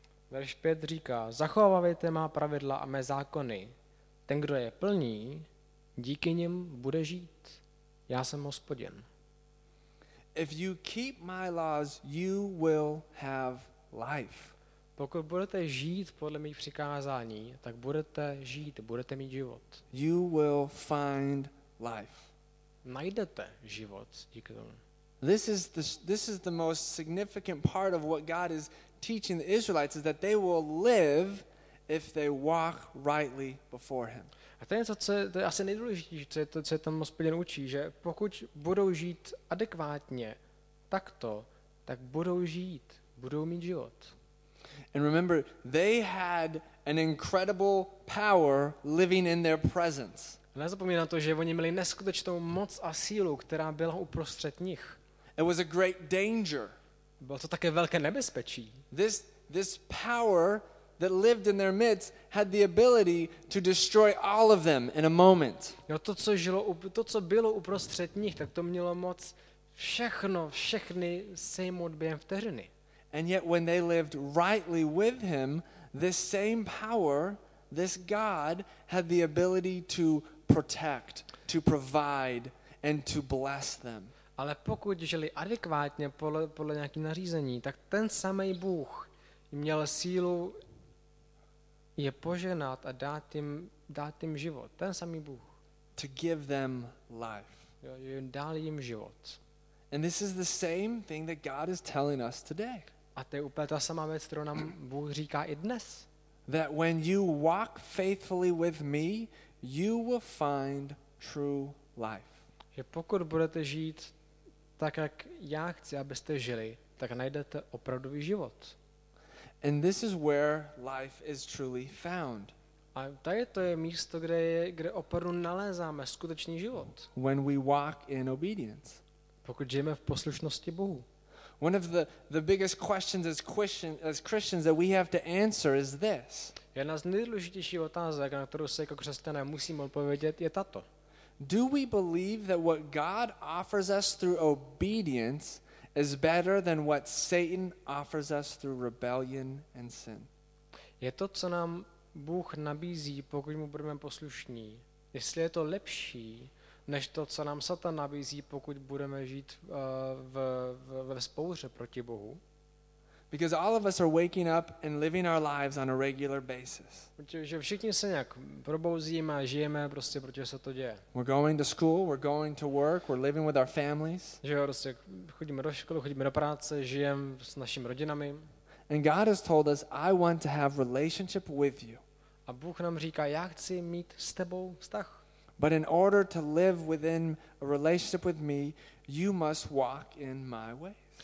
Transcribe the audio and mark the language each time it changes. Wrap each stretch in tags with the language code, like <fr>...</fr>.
<cs>Verš 5 říká, zachovávejte má pravidla a mé zákony. Ten, kdo je plní, díky nim bude žít. Já jsem Hospodin.</cs> <en>If you keep my laws, you will have life.</en> <cs>Pokud budete žít podle mých přikázání, tak budete žít, budete mít život.</cs> <en>You will find life.</en> <cs>Najdete život díky tomu.</cs> <en>This is the most significant part of what God is teaching the Israelites is that they will live if they walk rightly before him.</en> <cs>A to je to, co je asi nejdůležitější, co je tam Hospodin učí, že pokud budou žít adekvátně takto, tak budou žít, budou mít život.</cs> <en>And remember, they had an incredible power living in their presence.</en> <cs>Nezapomeň na to, že oni měli neskutečnou moc a sílu, která byla uprostřed nich.</cs> <en>It was a great danger.</en> <cs>Bylo to také velké nebezpečí.</cs> <en>This this power that lived in their midst had the ability to destroy all of them in a moment.</en> <cs>Jo, to, co žilo, to, co bylo uprostřed nich, tak to mělo moc všechno, všechny sejmout během vteřiny.</cs> <en>And yet when they lived rightly with him, this same power, this God, had the ability to protect, to provide, and to bless them.</en> <cs>Ale pokud žili adekvátně podle nějaký nařízení, tak ten samý Bůh měl sílu je poženat a dát jim život. Ten samý Bůh.</cs> <en>To give them life.</en> <cs>Jo, dal jim život.</cs> <en>And this is the same thing that God is telling us today.</en> <cs>A to je úplně ta samá věc, kterou nám Bůh říká i dnes.</cs> <en>That when you walk faithfully with me, you will find true life.</en> <cs>Že pokud budete žít tak, jak já chci, abyste žili, tak najdete opravdový život.</cs> <en>And this is where life is truly found.</en> <cs>A tady to je místo, kde opravdu nalézáme skutečný život.</cs> <en>When we walk in obedience.</en> <cs>Pokud žijeme v poslušnosti Bohu.</cs> <en>One of the biggest questions as Christians that we have to answer is this.</en> <cs>Jedna z nejdůležitějších otázek, na kterou se jako křesťané musíme odpovědět, je tato.</cs> <en>Do we believe that what God offers us through obedience is better than what Satan offers us through rebellion and sin?</en> <cs>Je to, co nám Bůh nabízí, pokud mu budeme poslušní, jestli je to lepší, než to, co nám Satan nabízí, pokud budeme žít ve vzpouře proti Bohu.</cs> <en>Because all of us are waking up and living our lives on a regular basis.</en> <cs>Že všichni se nějak probouzíme a žijeme prostě, protože se to děje.</cs> <en>We're going to school, we're going to work, we're living with our families.</en> <cs>Že jo, prostě chodíme do školy, chodíme do práce, žijeme s našimi rodinami.</cs> <en>And God has told us, I want to have relationship with you.</en> <cs>A Bůh nám říká, já chci mít s tebou vztah.</cs> <en>But in order to live within a relationship with me, you must walk in my ways.</en>